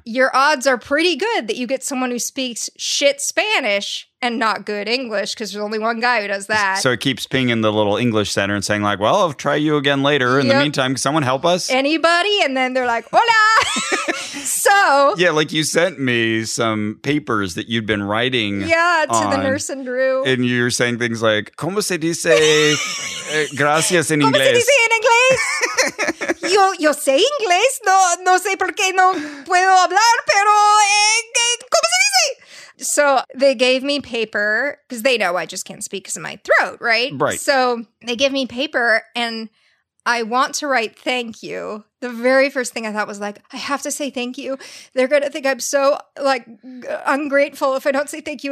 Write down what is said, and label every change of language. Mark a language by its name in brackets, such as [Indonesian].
[English] Your odds are pretty good that you get someone who speaks shit Spanish and not good English because there's only one guy who does that. So it keeps pinging the little English center and saying like, well, I'll try you again later. In the meantime, can someone help us? Anybody? And then they're like, hola. So. Yeah, like you sent me some papers that you'd been writing. Yeah, the nurse and Drew. And you're saying things like, [Spanish] ¿Cómo se dice gracias en inglés? ¿Cómo se dice en inglés? Yo sé inglés. No sé por qué no puedo hablar, pero ¿Cómo se dice? [English] So they gave me paper because they know I just can't speak because of my throat, right? Right. So they give me paper and I want to write thank you. The very first thing I thought was like, I have to say thank you. They're going to think I'm so like ungrateful if I don't say thank you.